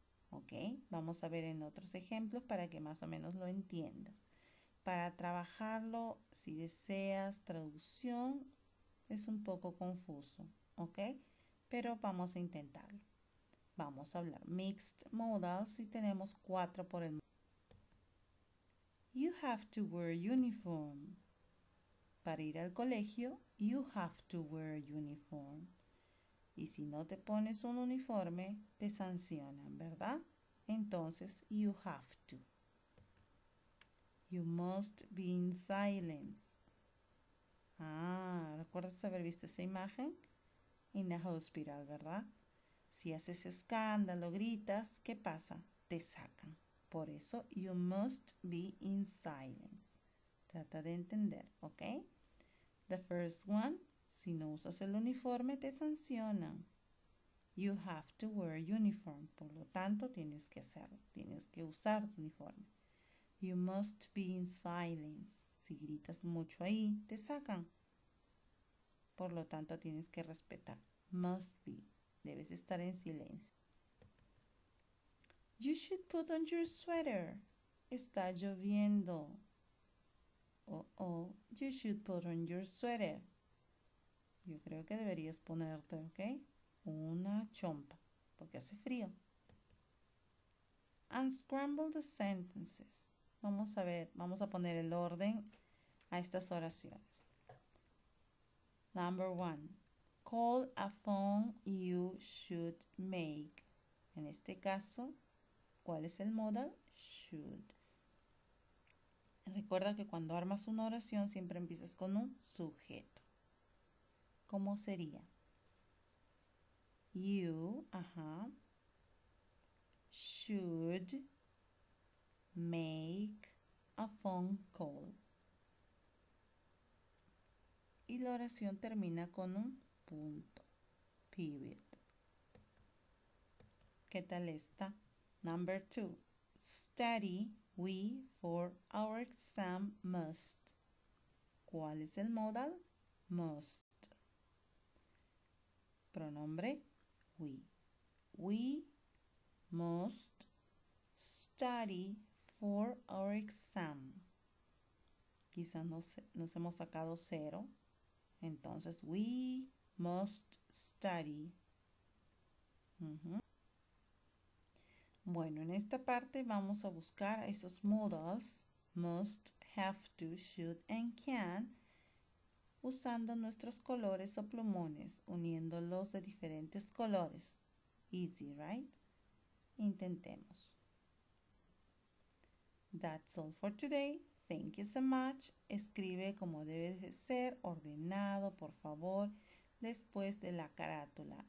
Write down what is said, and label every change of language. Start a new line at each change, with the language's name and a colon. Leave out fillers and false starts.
Spanish: Ok, vamos a ver en otros ejemplos para que más o menos lo entiendas. Para trabajarlo, si deseas traducción, es un poco confuso, ok, pero vamos a intentarlo. Vamos a hablar mixed modals y tenemos cuatro por el momento.
English: You have to wear uniform.
Spanish: Para ir al colegio,
English: you have to wear uniform.
Spanish: Y si no te pones un uniforme, te sancionan, ¿verdad? Entonces,
English: you have to. You must be in silence.
Spanish: ¿Recuerdas haber visto esa imagen?
English: In the hospital,
Spanish: ¿verdad? Si haces escándalo, gritas, ¿qué pasa? Te sacan. Por eso,
English: you must be in silence.
Spanish: Trata de entender, ¿ok?
English: The first one.
Spanish: Si no usas el uniforme, te sancionan.
English: You have to wear uniform.
Spanish: Por lo tanto, tienes que hacerlo. Tienes que usar tu uniforme.
English: You must be in silence.
Spanish: Si gritas mucho ahí, te sacan. Por lo tanto, tienes que respetar.
English: Must be.
Spanish: Debes estar en silencio.
English: You should put on your sweater.
Spanish: Está lloviendo.
English: You should put on your sweater.
Spanish: Yo creo que deberías ponerte, ¿ok? Una chompa, porque hace frío.
English: Unscramble the sentences.
Spanish: Vamos a ver, vamos a poner el orden a estas oraciones.
English: Number one. Call a phone you should make.
Spanish: En este caso, ¿cuál es el modal? Should. Recuerda que cuando armas una oración siempre empiezas con un sujeto. ¿Cómo sería?
English: You, should make a phone call.
Spanish: Y la oración termina con un punto, period. ¿Qué tal está?
English: Number two, study we for our exam must.
Spanish: ¿Cuál es el modal? Must.
English: Pronombre, we. We must study for our exam.
Spanish: Quizás nos hemos sacado cero. Entonces,
English: we must study.
Spanish: Bueno, en esta parte vamos a buscar esos modals.
English: Must, have to, should and can.
Spanish: Usando nuestros colores o plumones, uniéndolos de diferentes colores.
English: Easy, right?
Spanish: Intentemos.
English: That's all for today. Thank you so much.
Spanish: Escribe como debe de ser, ordenado, por favor, después de la carátula.